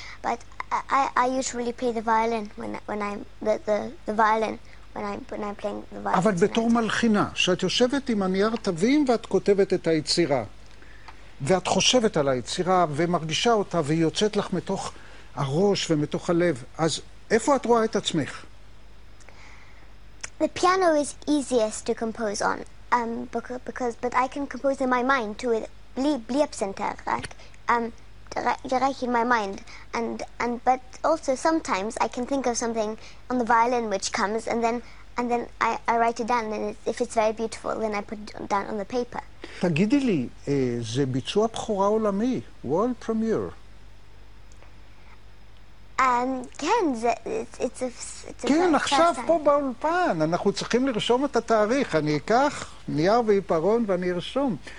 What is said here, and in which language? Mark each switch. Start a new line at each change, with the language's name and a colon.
English: But I usually play the violin when I'm the violin when I'm playing the violin.
Hebrew: אבל בתור מלחינה, שאת יושבת עם הנייר תווים ואת כותבת את היצירה. ואת חושבת על היצירה ומרגישה אותה והיא יוצאת לך מתוך הראש ומתוך הלב. אז איפה את רואה את עצמך?
English: The piano is easiest to compose on. Because I can compose in my mind too.
Hebrew: בלי הפסנתר, רק רק
English: in my mind and but also sometimes I can think of something on the violin which comes and then I write it down and if it's very beautiful then I put it down on the paper.
Hebrew: תגידי לי, זה ביצוע בחורה עולמי,
English: world premiere.
Hebrew: כן,
English: it's
Hebrew: כן, עכשיו פה באולפן, אנחנו צריכים לרשום את התאריך, אני אקח נייר ועיפרון ואני ארשום.